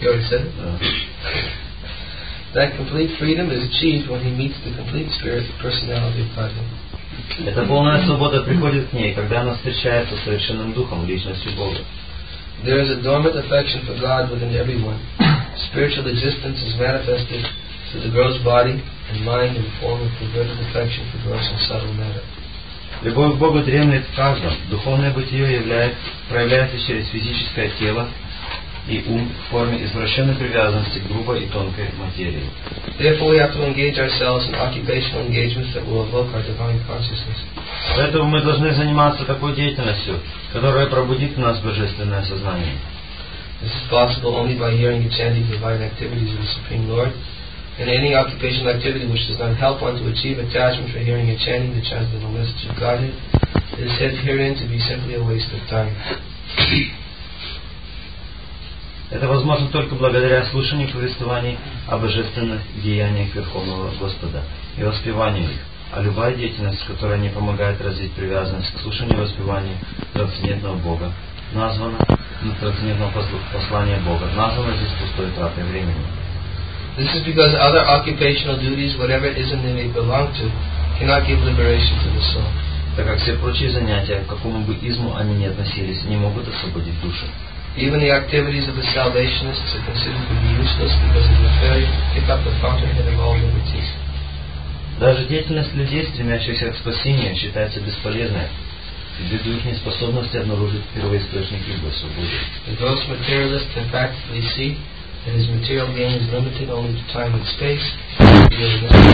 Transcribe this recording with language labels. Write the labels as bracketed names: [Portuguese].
[English] That complete freedom is achieved when he meets the complete spirit, the personality of Bhagavan. [Russian] Эта полная свобода приходит к ней, когда она встречается с совершенным духом, личностью Бога. [English] There is a dormant affection for God within everyone. Spiritual existence is manifested through the gross body and mind in the form of perverted affection for gross and subtle matter. [Russian] Любовь к Богу дремлет в каждом. Духовное бытие проявляется через физическое тело и ум в форме извращенной привязанности к грубой и тонкой материи. [English] Therefore, we have to engage ourselves in occupational engagements that will evoke our divine consciousness. [Russian] Поэтому мы должны заниматься такой деятельностью, которая пробудит в нас божественное сознание. [English] This is possible only by hearing and chanting divine activities of the Supreme Lord, and any occupational activity which does not help one to achieve attachment for hearing and chanting the transcendental message of Godhead is said herein to be simply a waste of time. [Russian] Это возможно только благодаря слушанию повествований о божественных деяниях Верховного Господа и воспеванию их. А любая деятельность, которая не помогает развить привязанность к слушанию и воспеванию трансцендентного Бога, названа трансцендентного послания Бога, названа здесь пустой тратой времени. [English] This is because other occupational duties, whatever it is in them they belong to, cannot give liberation to the soul. [Russian] Так как все прочие занятия, к какому бы изму они ни относились, не могут освободить душу. [English] Even the activities of the salvationists are considered to be useless because of the failure to pick up the fountainhead of all liberties. [Russian] Даже деятельность людей, стремящихся к спасению, считается бесполезной ввиду их неспособности обнаружить первоисточник их свободы. [English] The gross materialist can practically see that his material gain is limited only to time and space.